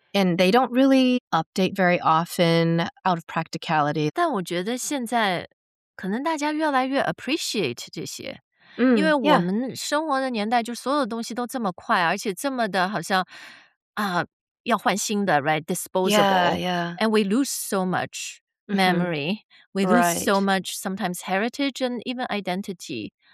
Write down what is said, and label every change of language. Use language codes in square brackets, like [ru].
[en] And they don't really update very often out of practicality. [zh] 但我觉得现在可能大家越来越 appreciate 这些。因为我们生活的年代就所有东西都这么快，而且这么的好像要换新的 right? [en] Disposable. And we lose so much. Memory. We lose so much sometimes heritage and even identity.